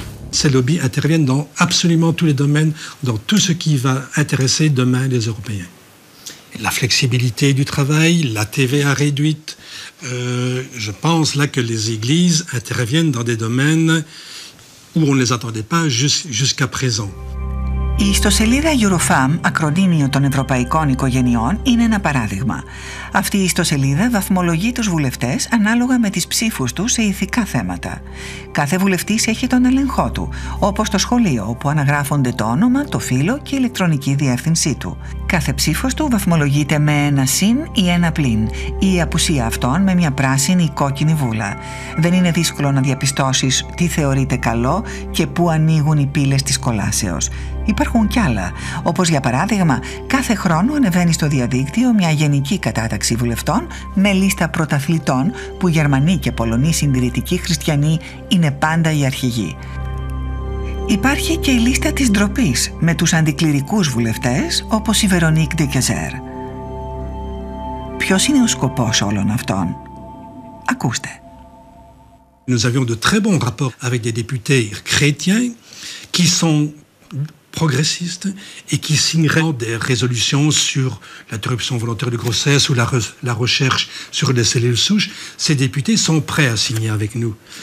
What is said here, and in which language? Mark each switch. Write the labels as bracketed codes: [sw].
[fr] Ces lobbies interviennent dans absolument tous les domaines, dans tout ce qui va intéresser demain les Européens. La flexibilité du travail, la TVA réduite, je pense là que les églises interviennent dans des domaines où on ne les attendait pas jusqu'à présent. [el] Η ιστοσελίδα Eurofam, ακροτήμιο των ευρωπαϊκών οικογενειών, είναι ένα παράδειγμα. Αυτή η ιστοσελίδα βαθμολογεί τους βουλευτές ανάλογα με τις ψήφους τους σε ηθικά θέματα. Κάθε βουλευτής έχει τον έλεγχό του, όπως το σχολείο, όπου αναγράφονται το όνομα, το φύλο και η ηλεκτρονική διεύθυνσή του. Κάθε ψήφος του βαθμολογείται με ένα συν ή ένα πλην, ή η απουσία αυτών με μια πράσινη ή κόκκινη βούλα. Δεν είναι δύσκολο να διαπιστώσεις τι θεωρείται καλό και πού ανοίγουν οι πύλες της κολάσεως. Υπάρχουν κι άλλα, όπως για παράδειγμα, κάθε χρόνο ανεβαίνει στο διαδίκτυο μια γενική κατάταξη βουλευτών με λίστα πρωταθλητών που Γερμανοί και Πολωνοί συντηρητικοί χριστιανοί είναι πάντα οι αρχηγοί. Υπάρχει και η λίστα της ντροπής με τους αντικληρικούς βουλευτές όπως η Βερονίκ Ντε Κεζέρ. Ποιος είναι ο σκοπός όλων αυτών? Ακούστε. [fr] Nous avions de très bons rapports avec des députés chrétiens qui sont progressistes et qui signeraient des résolutions sur l'interruption volontaire de grossesse ou la recherche sur les cellules souches. Ces députés sont prêts à signer avec nous.